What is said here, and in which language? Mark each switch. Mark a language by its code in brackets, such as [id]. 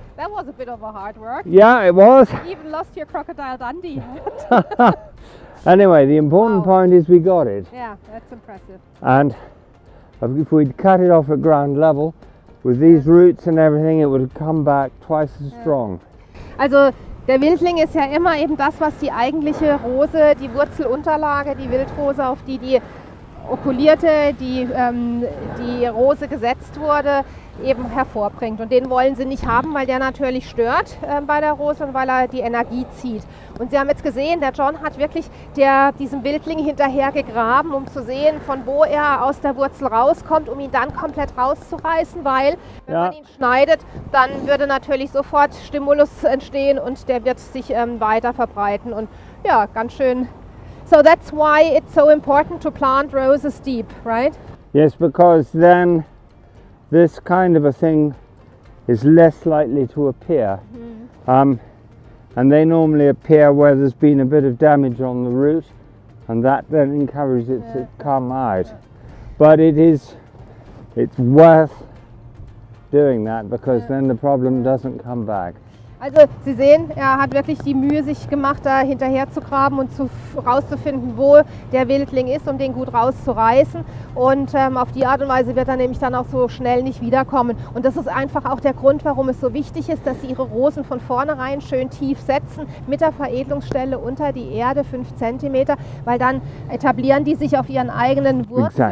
[en] That was a bit of a hard work. Yeah, it was. You even lost your Crocodile Dundee. Anyway, the important point is we got it. Yeah, that's impressive. And if we'd cut it off at ground level, with these roots and everything, it would have come back twice as strong. [de] Also, der Wildling ist ja immer eben das, was die eigentliche Rose, die Wurzelunterlage, die Wildrose, auf die die okulierte, die die Rose gesetzt wurde, eben hervorbringt. Und den wollen sie nicht haben, weil der natürlich stört bei der Rose und weil er die Energie zieht. Und Sie haben jetzt gesehen, der John hat wirklich diesem Wildling hinterher gegraben, um zu sehen, von wo er aus der Wurzel rauskommt, um ihn dann komplett rauszureißen, weil wenn man ihn schneidet, dann würde natürlich sofort Stimulus entstehen und der wird sich weiter verbreiten. Und ja, ganz schön. [en] So that's why it's so important to plant roses deep, right? Yes, because then this kind of a thing is less likely to appear. Mm-hmm. And they normally appear where there's been a bit of damage on the root, and that then encourages it to come out. But it's worth doing that, because then the problem doesn't come back. [de] Also Sie sehen, er hat wirklich die Mühe sich gemacht, da hinterher zu graben und rauszufinden, wo der Wildling ist, um den gut rauszureißen. Und auf die Art und Weise wird er nämlich dann auch so schnell nicht wiederkommen. Und das ist einfach auch der Grund, warum es so wichtig ist, dass Sie Ihre Rosen von vornherein schön tief setzen, mit der Veredelungsstelle unter die Erde, 5 cm, weil dann etablieren die sich auf ihren eigenen Wurzeln.